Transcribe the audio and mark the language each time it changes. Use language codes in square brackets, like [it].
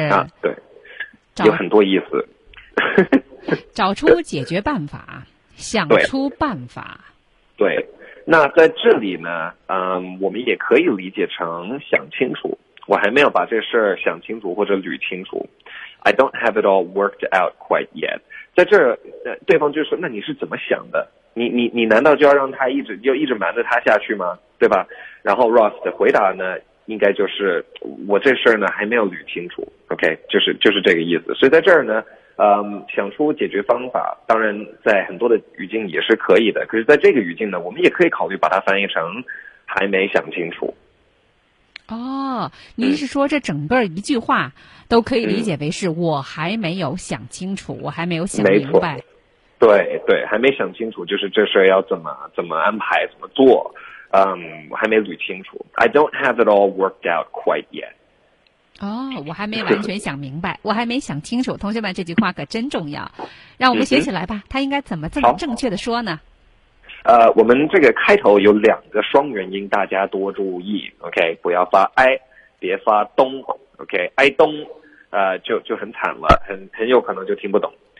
[zh] 啊，对，有很多意思。找出解决办法，想出办法。对，那在这里呢，我们也可以理解成想清楚。我还没有把这事儿想清楚或者捋清楚。 [en] I don't have it all worked out quite yet。 [zh] 在这儿，对方就说：“那你是怎么想的？” 你难道就要让他一直瞒着他下去吗？对吧？然后 Ross 的回答呢，应该就是我这事儿呢还没有捋清楚 ，OK， 就是这个意思。所以在这儿呢，想出解决方法，当然在很多的语境也是可以的。可是在这个语境呢，我们也可以考虑把它翻译成还没想清楚。哦，您是说这整个一句话都可以理解为是我还没有想清楚，我还没有想明白。对对，还没想清楚，就是这事儿要怎么安排，怎么做，还没捋清楚。 [en] I don't have it all worked out quite yet。 [zh] 哦，我还没完全想明白，我还没想清楚。同学们，这句话可真重要，让我们学起来吧。他应该怎么这么正确的说呢？我们这个开头有两个双元音，大家多注意。 OK， 不要发 I， 别发东。OK， 挨东，就很惨了，很有可能就听不懂。